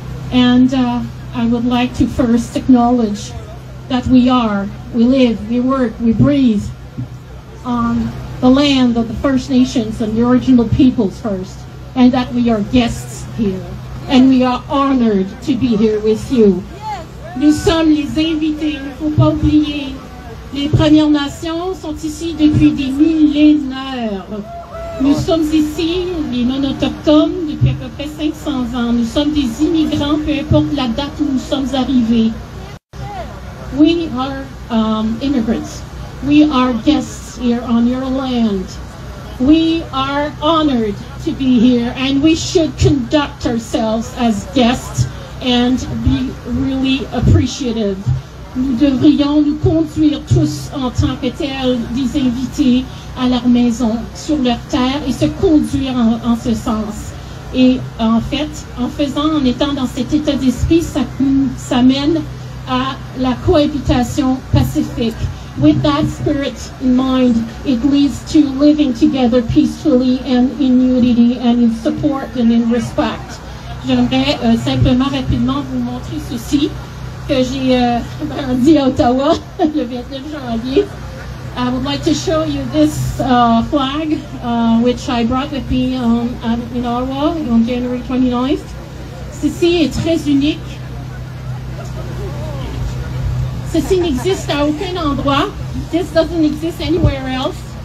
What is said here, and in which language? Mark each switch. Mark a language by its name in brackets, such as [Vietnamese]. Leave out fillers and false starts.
[English] And I would like to first acknowledge that we live, we work, we breathe on the land of the First Nations and the original peoples first, and that we are guests here, and we are honored to be here with you. [French] Nous sommes les invités, il ne faut pas oublier. Les Premières Nations sont ici depuis des millénaires. Nous sommes ici, les non-autochtones, depuis à peu près 500 ans. Nous sommes des immigrants, peu importe la date où nous sommes arrivés. [English] We are immigrants. We are guests here on your land. We are honored to be here, and we should conduct ourselves as guests and be really appreciative. [French] Nous devrions nous conduire tous en tant que tels des invités à leur maison, sur leur terre, et se conduire en ce sens. Et en fait, en étant dans cet état d'esprit, ça nous amène à la cohabitation pacifique. [English] With that spirit in mind, it leads to living together peacefully and in unity and in support and in respect. [French] J'aimerais simplement rapidement vous montrer ceci que j'ai brandi à Ottawa le 29 janvier. [English] I would like to show you this flag, which I brought with me in Ottawa on January 29th. [French] Ceci est très unique. Ceci n'existe à aucun endroit. [English] This doesn't exist anywhere else.